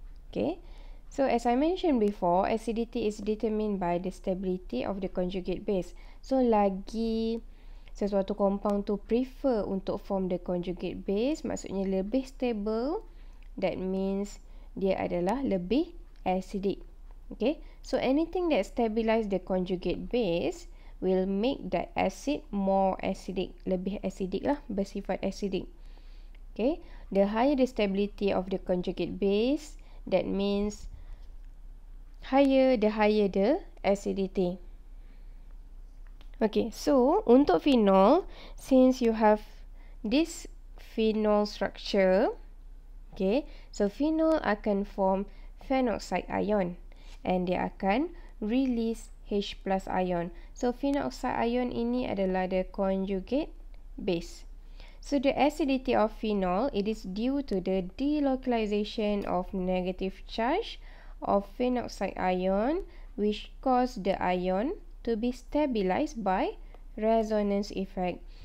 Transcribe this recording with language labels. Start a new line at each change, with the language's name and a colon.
English: Okay, so as I mentioned before, acidity is determined by the stability of the conjugate base.
Malay: So lagi sesuatu compound tu prefer untuk
English: form the conjugate base,
Malay: maksudnya lebih stable,
English: that means
Malay: dia adalah lebih acidic.
English: Okay, so anything that stabilize the conjugate base will make that acid more acidic,
Malay: lebih acidic lah, bersifat acidic.
English: Okay, the higher the stability of the conjugate base, that means higher the acidity. Okay, so untuk phenol, since you have this phenol structure, okay, so phenol akan form phenoxide ion and
Malay: dia akan release
English: H plus ion. So phenoxide ion
Malay: ini adalah
English: the conjugate base. So the acidity of phenol, it is due to the delocalization of negative charge of phenoxide ion, which cause the ion to be stabilized by resonance effect.